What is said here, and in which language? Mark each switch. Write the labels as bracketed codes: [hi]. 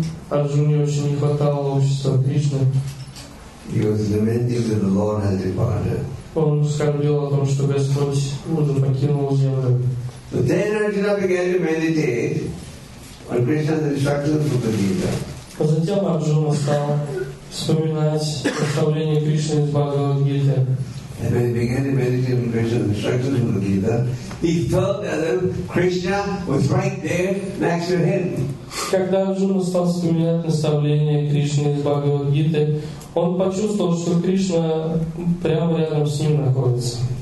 [ru] Арджуне очень не хватало общества Кришны. [en] He was lamenting that the Lord had departed. [ru] Он скорбел о том, что Господь уже покинул землю. [en] But then Arjuna began to meditate on Krishna's instructions from the Gita. [ru] А затем Арджуна стал вспоминать наставления Кришны из Бхагавад-гиты. [en] And when he began to meditate on Krishna's instructions from the Gita, he felt as if Krishna was right there next to him. [ru] Когда Арджуна стал вспоминать наставления Кришны из Бхагавад-гиты, он почувствовал, что Кришна прямо рядом с ним находится.